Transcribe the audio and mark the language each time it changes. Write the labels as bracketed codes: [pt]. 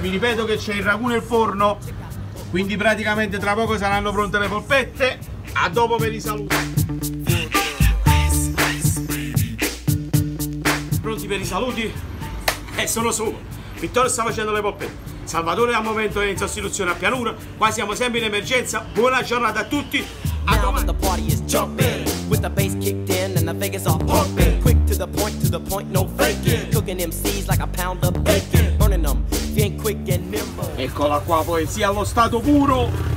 [it] Vi ripeto che c'è il ragù nel forno, quindi praticamente tra poco saranno pronte le polpette. A dopo per i saluti. Pronti per i saluti? Sono solo. Vittorio sta facendo le polpette. Salvatore al momento è in sostituzione a pianura. Qua siamo sempre in emergenza. Buona giornata a tutti. A domani. [en] The party is jumping, with the bass kicked in and the Vegas all pumping. Quick to the point, no faking. Cooking MCs like a pound of bacon. Burning them, being quick and nimble. [it] Eccola qua, poesia allo stato puro.